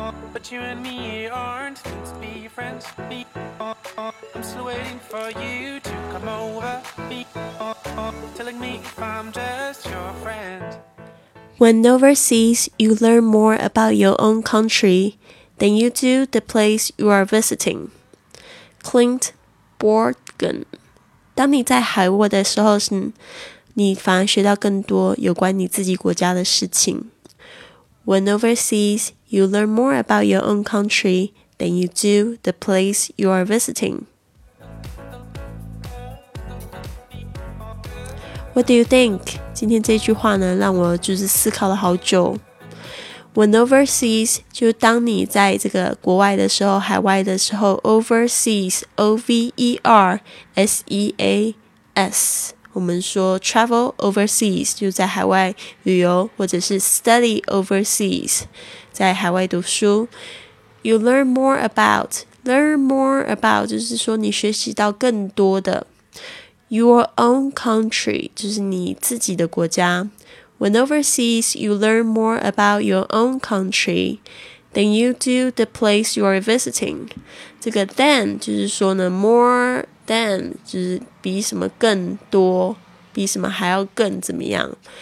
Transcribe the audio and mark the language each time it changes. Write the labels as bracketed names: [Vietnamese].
[English] But you and me aren't things to be friends be, I'm still waiting for you to come over be, telling me if I'm just your friend. When overseas, you learn more about your own country than you do the place you are visiting. Clint Borgen. [Chinese] 当你在海外的时候，你反而学到更多有关你自己国家的事情。 [English] When overseas, you learn more about your own country than you do the place you are visiting. What do you think? [Chinese] 今天这句话呢，让我就是思考了好久。 [English] When overseas, [Chinese] 就当你在这个国外的时候，海外的时候 ，overseas, O-V-E-R-S-E-A-S。我们说 [English] travel overseas [Chinese] 就在海外旅游，或者是 [English] study overseas [Chinese] 在海外读书。 [English] You learn more about [Chinese] 就是说你学习到更多的。 [English] Your own country [Chinese] 就是你自己的国家。 [English] When overseas, you learn more about your own country than you do the place you are visiting. [Chinese] 这个 than 就是说呢 more。 Than 就是比什么更多，比什么还要更怎么样？